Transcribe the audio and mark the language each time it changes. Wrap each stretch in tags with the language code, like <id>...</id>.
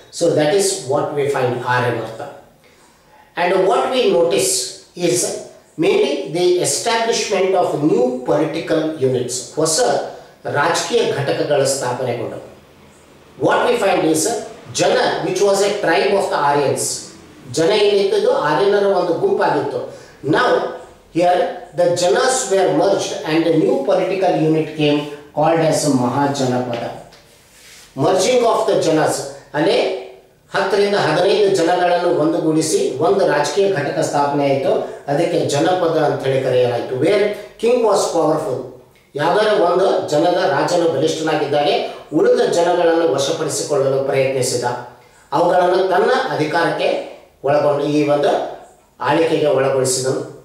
<en>So that is what we find Aryavarta. And what we notice is mainly the establishment of new political units,</en> <kn>ಹೊಸ ರಾಜಕೀಯ ಘಟಕಗಳ ಸ್ಥಾಪನೆಗೊಂಡವು.</kn> <en>what we find is jana which was a tribe of the Aryans,</en> <kn>ಜನ ಏನಿತ್ತದ್ದು ಆರ್ಯನರ ಒಂದು ಗುಂಪಾಗಿತ್ತು.</kn> <en>Now, here the Janas were merged and a new political unit came called as Mahajanapada. Merging of the Janas, and</en> <kn>10-15 ಜನಗಳನ್ನು ಒಂದುಗೂಡಿಸಿ ಒಂದು ರಾಜಕೀಯ ಘಟಕ ಸ್ಥಾಪನೆ ಆಯಿತು. ಅದಕ್ಕೆ ಜನಪದ ಅಂತೇಳಿ ಕರೆಯಲಾಯಿತು.</kn> <en>where king was powerful,</en> <kn>ಯಾವ್ದಾದ್ರು ಒಂದು ಜನದ ರಾಜನು ಬಲಿಷ್ಠನಾಗಿದ್ದಾನೆ, ಉಳಿದ ಜನಗಳನ್ನು ವಶಪಡಿಸಿಕೊಳ್ಳಲು ಪ್ರಯತ್ನಿಸಿದ, ಅವುಗಳನ್ನು ತನ್ನ ಅಧಿಕಾರಕ್ಕೆ ಒಳಗೊಂಡು ಈ ಒಂದು ಆಳಿಕೆಗೆ ಒಳಗೊಳಿಸಿದನು.</kn>